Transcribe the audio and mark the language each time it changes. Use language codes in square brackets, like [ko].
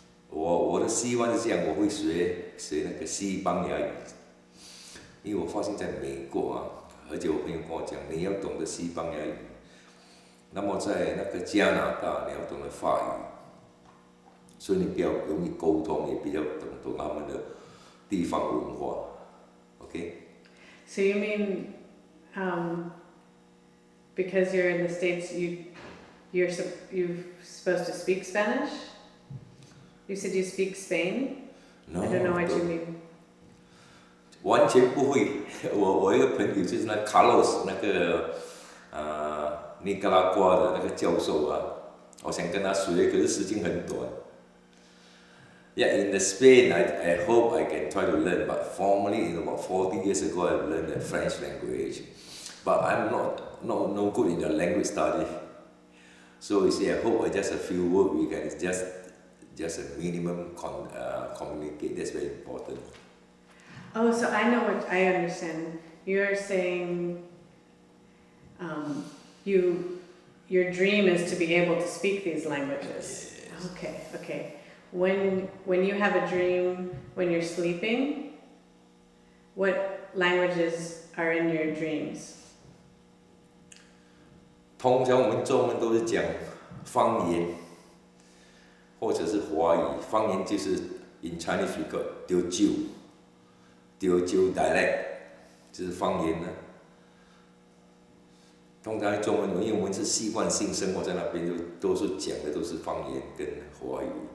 [zh] 我的希望是这样，我会学那个西班牙语，因为我发现在美国啊，而且我朋友跟我讲，你要懂得西班牙语，那么在那个加拿大你要懂得法语，所以你比较容易沟通，也比较懂他们的地方文化。 [en] So you mean, because you're in the States, you're supposed to speak Spanish? You said you speak Spain? I don't know what you mean. [zh] 完全不会。我一个朋友就是那 Carlos 那个尼加拉瓜的那个教授啊，我想跟他学，可是时间很短。 [en] Yeah，in the Spain I hope I can try to learn, but formally in about 40 years ago I've learned the French language, but I'm not good in the language study. So you see, I hope I just a few words we can just a minimum communicate. That's very important. Oh, so I know what I understand. You're saying your dream is to be able to speak these languages. Okay. When you have a dream, when you're sleeping, what languages are in your dreams? [zh] 通常我们中文都是讲方言，或者是华语。方言就是 [en] in Chinese we got Teochew dialect， [zh] 就是方言呢。通常中文，因为我们是习惯性生活在那边，都是讲的都是方言跟华语。